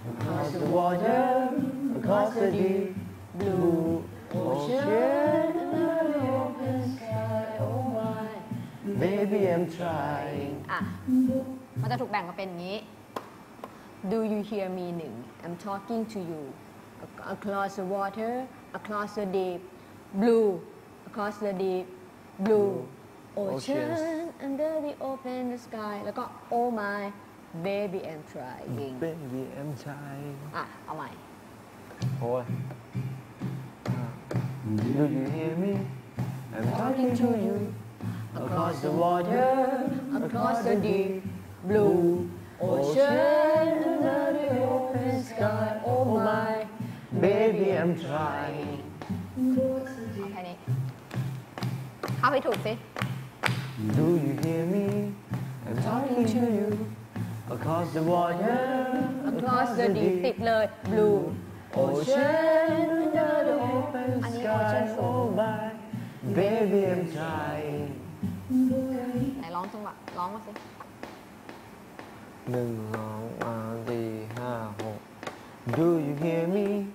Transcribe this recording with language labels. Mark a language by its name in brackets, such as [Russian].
[English] Across the water, across the deep blue ocean and the open sky Oh my, maybe I'm trying [Thai] มันจะถูกแบ่งมาเป็นงี้ [English] Do you hear me? 1. I'm talking to you. Across the water, across the deep blue, across the deep blue ocean under the open sky. แล้วก็ Oh my, baby, I'm trying. Baby, I'm trying. [Thai] เอาใหม่โอ้ย [English] Do you hear me? I'm talking to you. Across the water, across the deep blue. Ocean under the open sky, oh my, baby I'm trying. How it works? Do you hear me? I'm talking to you. Across the water, across the deep, deep blue. Ocean under the open sky, oh my, baby I'm trying. [Thai] ไหนร้องจังหวะร้องมาสิ หนึ่งสองสามสี่ห้าหก [English] Do you hear me?